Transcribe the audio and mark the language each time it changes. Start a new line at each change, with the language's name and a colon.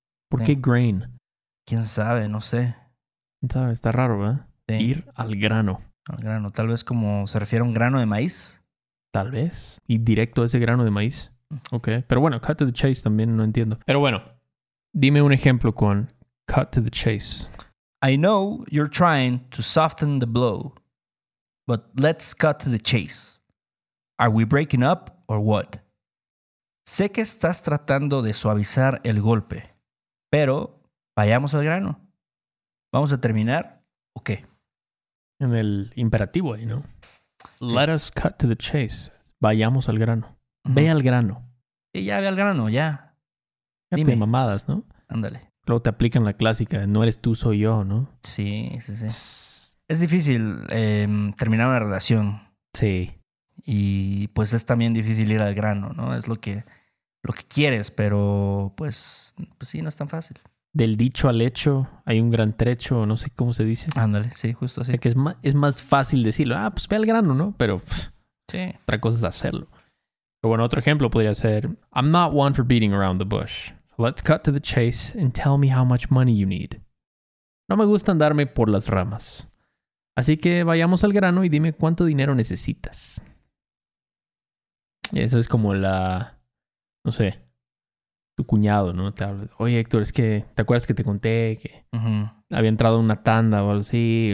Spanish: ¿Por qué grain? ¿Quién sabe? No sé. ¿Quién sabe? Está raro, ¿verdad? Sí. Ir al grano. Al grano. Tal vez como se refiere a un grano de maíz. Tal vez. Y directo a ese grano de maíz. Ok. Pero bueno,
English: cut to the chase
Spanish: también no entiendo. Pero bueno, dime un ejemplo con
English: cut to the chase. I know you're trying to soften the blow, but let's cut to the chase. Are we breaking up or what?
Spanish: Sé que estás tratando de suavizar el golpe, pero vayamos al grano. ¿Vamos a terminar o qué? En el imperativo ahí, ¿no? Sí.
English: Let us cut to the chase.
Spanish: Vayamos al grano. Uh-huh. Ve al grano. Y ya ve al grano, ya. Dime. Ya mamadas, ¿no? Ándale. Luego te aplican la clásica, no eres tú, soy yo, ¿no? Sí, sí, sí. Es difícil terminar una relación. Sí. Y pues es también difícil ir al grano, ¿no? Es lo que quieres, pero pues sí, no es tan fácil. Del dicho al hecho, hay un gran trecho, no sé cómo se dice. Ándale, sí, justo así. O sea, que es más fácil decirlo, pues ve al grano, ¿no? Pero sí. Otra cosa es hacerlo. Pero bueno, otro ejemplo podría ser,
English: I'm not one for beating around the bush. Let's cut to the chase and tell me how much money you need.
Spanish: No me gusta andarme por las ramas. Así que vayamos al grano y dime cuánto dinero necesitas. Eso es como la... no sé. Tu cuñado, ¿no? Te habla. Oye, Héctor, es que... ¿te acuerdas que te conté que... uh-huh. Había entrado en una tanda o algo así?